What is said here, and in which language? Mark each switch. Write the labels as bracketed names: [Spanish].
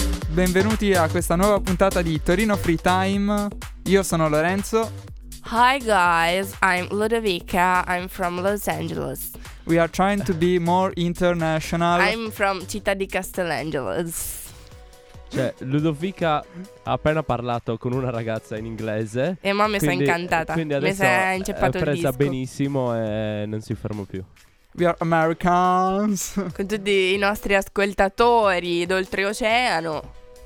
[Italian] Benvenuti a questa nuova puntata di Torino Free Time. Io sono Lorenzo. [English] Hi guys, I'm Ludovica, I'm from Los Angeles. We are trying to be more international. I'm from Città di Castellangelo. [Italian] Cioè, Ludovica ha appena parlato con una ragazza in inglese. E mo mi sono incantata. Quindi adesso mi è presa benissimo e non si ferma più. [English] We are Americans. [Italian] Con tutti i nostri ascoltatori d'oltreoceano.